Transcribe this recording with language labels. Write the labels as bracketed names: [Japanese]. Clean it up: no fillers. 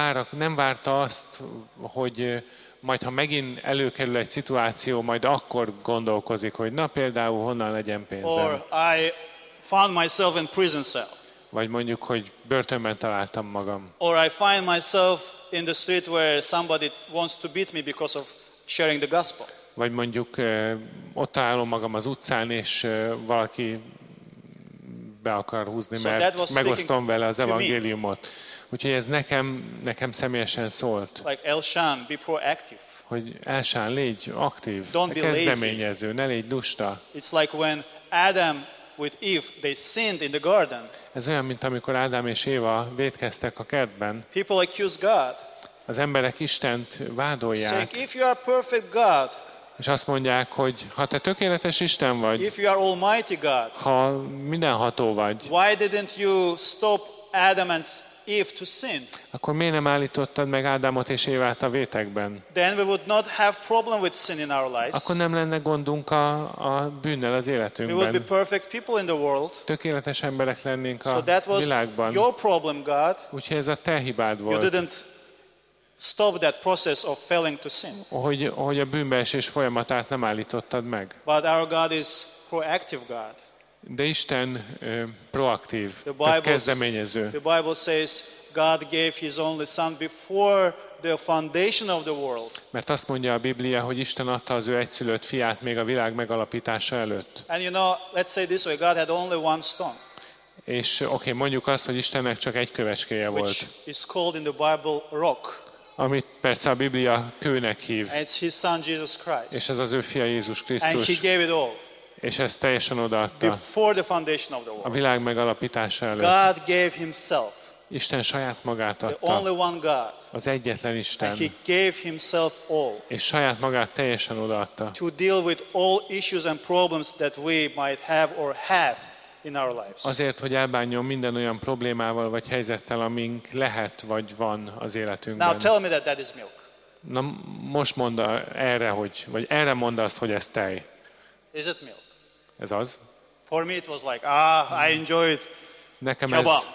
[Hungarian] Nem várta azt, hogy majd ha megint előkerül egy szituáció, majd akkor gondolkozik, hogy na például honnan legyen pénzem. [English] Or I found myself in prison cell. [Hungarian] Vagy mondjuk, hogy börtönben találtam magam. [English] Or I find myself in the street where somebody wants to beat me because of sharing the gospel. [Hungarian] Vagy mondjuk ott állom magam az utcán, és valaki be akar húzni, mert megosztom vele az evangéliumot. Úgyhogy ez nekem személyesen szólt. [English] Like Elshan, be proactive. [Hungarian] Hogy Elshan, légy aktív. [English] Don't be lazy. [Hungarian] Kezdeményező, ne légy lusta. [English] It's like when Adam with Eve, they sinned in the garden. [Hungarian] Ez olyan, mint amikor Ádám és Éva vétkeztek a kertben. [English] People accuse God. [Hungarian] Az emberek Istent vádolják. [English] Saying, if you are perfect God. [Hungarian] És azt mondják, hogy ha te tökéletes Isten vagy. [English] If you are almighty God. [Hungarian] Ha mindenható vagy. [English] Why didn't you stop Adam and Eve to sin? [Hungarian] Akkor miért nem állítottad meg Ádámot és Évát a vétekben? [English] Then we would not have problem with sin in our lives. [Hungarian] Akkor nem lenne gondunk a bűnnel az életünkben. [English] We would be perfect people in the world. [Hungarian] Tökéletes emberek lennénk a világban. [English] So that was [Hungarian] világban. [English] Your problem, God. [Hungarian] Úgyhogy ez a te hibád volt. [English] You didn't stop that process of failing to sin. [Hungarian] Hogy a bűnbeesés folyamatát nem állítottad meg. [English] But our God is proactive God. [Hungarian] De Isten proaktív, kezdeményező. [English] The Bible says God gave his only son before the foundation of the world. [Hungarian] Mert azt mondja a Biblia, hogy Isten adta az ő egyszülött fiát még a világ megalapítása előtt. [English] And you know, let's say this way, God had only one stone. [Hungarian] És okay, mondjuk azt, hogy Istennek csak egy kövecskéje volt. [English] Which is called in the Bible rock. [Hungarian] Amit persze a Biblia kőnek hív. [English] And it's his son Jesus Christ. [Hungarian] És ez az ő fia Jézus Krisztus. [English] And he gave it all. [Hungarian] És ezt teljesen odaadta. [English] Before the foundation of the world. [Hungarian] A világ megalapítása előtt. [English] God gave himself. [Hungarian] Isten saját magát adta. [English] The only one God. [Hungarian] Az egyetlen Isten. [English] And he gave himself all. [Hungarian] És saját magát teljesen odaadta. [English] To deal with all issues and problems that we might have or have in our lives. [Hungarian] Azért, hogy elbánjon minden olyan problémával vagy helyzettel, amink lehet vagy van az életünkben. [English] Now tell me that is milk. [Hungarian] Na most mondd erre, hogy vagy erre mondd azt, hogy ez tej. [English] Is it milk? [Hungarian] Ez az. [English] For me it was like, I enjoyed kebab.